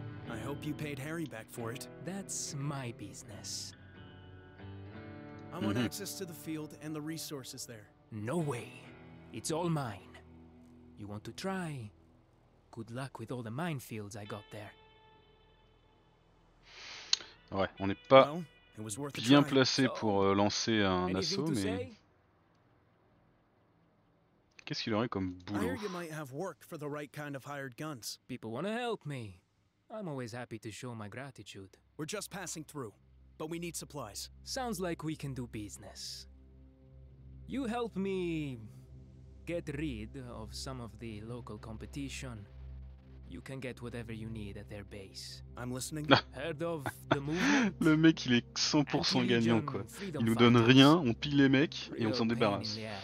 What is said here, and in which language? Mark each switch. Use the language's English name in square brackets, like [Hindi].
[English] I hope you paid Harry back for it. That's my business. I want access to the field and the resources there. No way. It's all mine. You want to try? Good luck with all the minefields I got there. [French] Ouais, on n'est pas bien placé pour lancer un assaut, mais... Qu'est-ce qu'il aurait comme boulot ? [English] People want to help me. I'm always happy to show my gratitude. We're just passing through, but we need supplies. Sounds like we can do business. You help me get rid of some of the local competition. You can get whatever you need at their base. I'm listening. Heard of the movement? [French] Le mec, il est 100% gagnant, quoi. Il nous donne rien, on pile les mecs, et on s'en débarrasse.